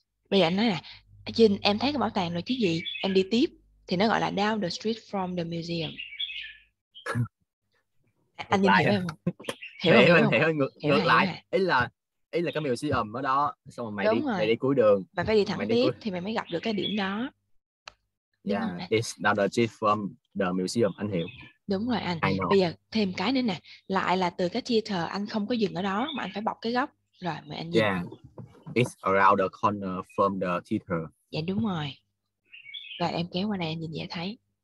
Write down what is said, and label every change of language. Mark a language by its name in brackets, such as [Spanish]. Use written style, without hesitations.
[Vietnamese] Bây giờ anh nói nè, Jin, em thấy cái bảo tàng rồi chứ gì? Em đi tiếp thì nó gọi là [English] down the street from the museum. [Vietnamese] Anh nhìn hiểu không? Hiểu ngược lại. Ý là cái museum ở đó, xong rồi mày đi cuối đường. Mày phải đi thẳng tiếp thì mày mới gặp được cái điểm đó. [English] Yeah, it's down the street from the museum. [Vietnamese] Anh hiểu. Đúng rồi anh. Bây giờ thêm cái nữa nè, lại là từ cái theater anh không có dừng ở đó mà anh phải bọc cái góc. Rồi mời anh nhìn. [English] It's around the corner from the theater. [Vietnamese] Dạ đúng rồi. Rồi em kéo qua đây anh nhìn dễ thấy.